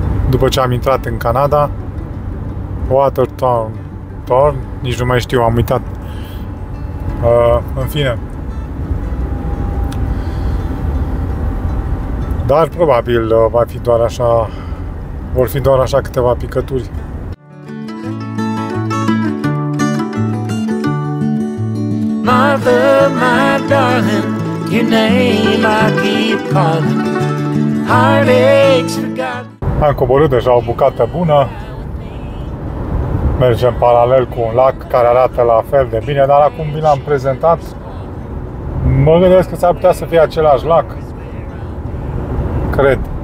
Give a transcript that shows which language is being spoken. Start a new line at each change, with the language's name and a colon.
Romanian: După ce am intrat în Canada, Watertown, nici nu mai știu, am uitat. În fine. Dar probabil va fi doar așa, vor fi doar așa câteva picături.
English: Martha, my darling, your name I keep calling. Heartaches forgotten.
Romanian: Am coborât deja o bucată bună. Mergem paralel cu un lac care arată la fel de bine, dar acum vi l-am prezentat. Mă gândesc că s-ar putea să fie același lac. Cred.